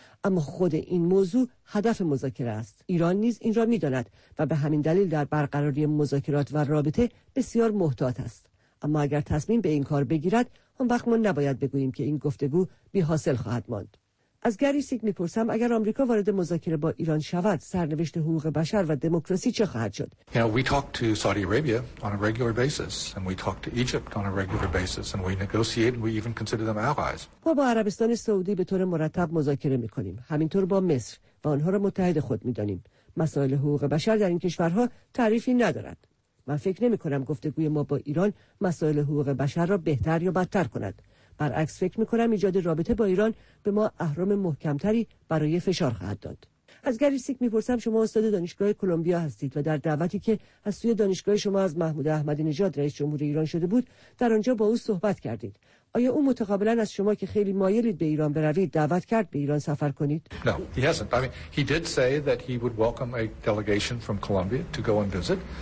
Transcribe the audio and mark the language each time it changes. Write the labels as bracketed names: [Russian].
[Persian] اما خود این موضوع هدف مذاکره است. ایران نیز این را می‌داند و به همین دلیل در برقراری مذاکرات و رابطه بسیار محتاط است. اما اگر تصمیم به این کار بگیرد، اون وقت ما نباید بگوییم که این گفتگو بی حاصل خواهد ماند. از گری سیک می‌پرسم اگر آمریکا وارد مذاکره با ایران شود، سرنوشت حقوق بشر و دموکراسی چه خواهد شد؟ [English] Now we talk to Saudi Arabia on a regular basis and we talk to Egypt on a regular basis and we negotiate and we even consider them allies. [Persian] ما با عربستان سعودی به طور مرتب مذاکره می‌کنیم، همینطور با مصر و آنها را متحد خود می‌دانیم. مسائل حقوق بشر در این کشورها تعریفی ندارد. من فکر نمی‌کنم گفتگوی ما با ایران مسائل حقوق بشر را بهتر یا بدتر کند. برعکس فکر میکنم ایجاد رابطه با ایران به ما اهرام محکمتری برای فشار خواهد داد. از گری سیک میپرسم شما استاد دانشگاه کلمبیا هستید و در دعوتی که از سوی دانشگاه شما از محمود احمدی نژاد رئیس جمهور ایران شده بود در آنجا با او صحبت کردید. آیا او متقابلا از شما که خیلی مایلید به ایران بروید دعوت کرد به ایران سفر کنید؟ [English] No, he hasn't. I mean, he did say that he would welcome a delegation from Colombia to go and visit.